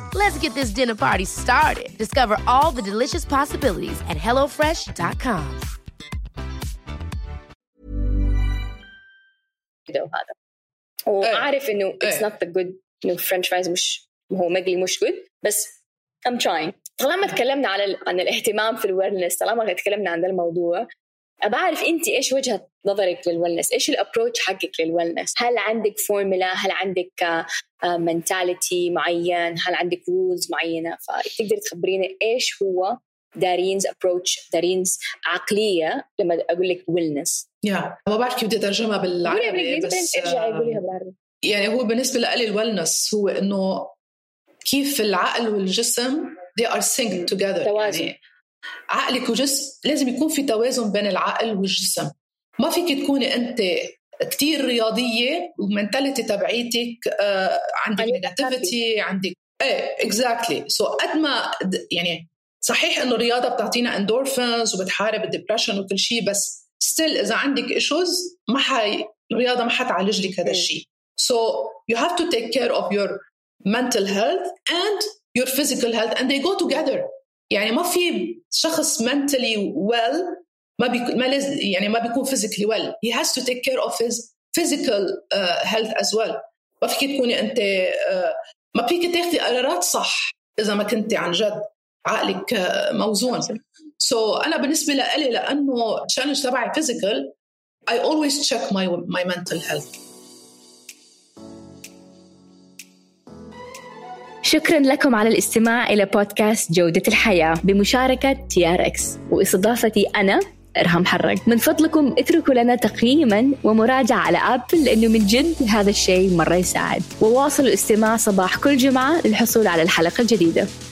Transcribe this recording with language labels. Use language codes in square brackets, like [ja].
[en] Let's get this dinner party started. Discover all the delicious possibilities at HelloFresh.com. [ar] وعارف إنه [en] it's not the good, you know, French fries [ar] مش هو مقلي مش [en] good. [ar] بس [en] I'm trying. [ar] طالما تكلمنا على عن الاهتمام في الwellness, طالما تكلمنا عن ذا الموضوع, أبعرف أنت إيش وجهة نظرك للwellness, إيش الapproach حقك للwellness. هل عندك فورمولا, هل عندك منتاليتي معين, هل عندك رولز معينة؟ فتقدر تخبرينا إيش هو دارينز approach, دارينز عقلية لما أقول لك wellness. ما بعرف كيف بدي ترجمها بالعربي بس بالعربي. يعني هو بالنسبة لقلي الwellness هو إنه كيف العقل والجسم [en] they are synced together. [ar] توازن يعني عقلك وجسم لازم يكون في توازن بين العقل والجسم. ما فيك تكوني أنت كتير رياضية ومنتاليتي تبعيتك عندك نيجاتيفيتي عندك إيه exactly. So قد ما يعني صحيح إنه الرياضة بتعطينا إندورفينز وبتحارب الديبرشن وكل شيء بس still إذا عندك إيشوز ما حي الرياضة ما حتعالج لك هذا الشيء. [en] So you have to take care of your mental health and your physical health and they go together. [ar] يعني ما في شخص [en] mentally well [ar] ما بيكون [en] physically well. He has to take care of his physical health as well. [ar] ما فيك تكوني أنت ما فيك تاخذي قرارات صح إذا ما كنت عن جد عقلك موزون. So أنا بالنسبة لألي لأنه challenge تبعي physical [en] I always check my mental health. [ar] شكرا لكم على الاستماع إلى بودكاست جودة الحياة بمشاركة TRX واستضافتي أنا إرهام حرق. من فضلكم اتركوا لنا تقييما ومراجعة على أبل، لأنه من جد هذا الشيء مرة يساعد. وواصلوا الاستماع صباح كل جمعة للحصول على الحلقة الجديدة.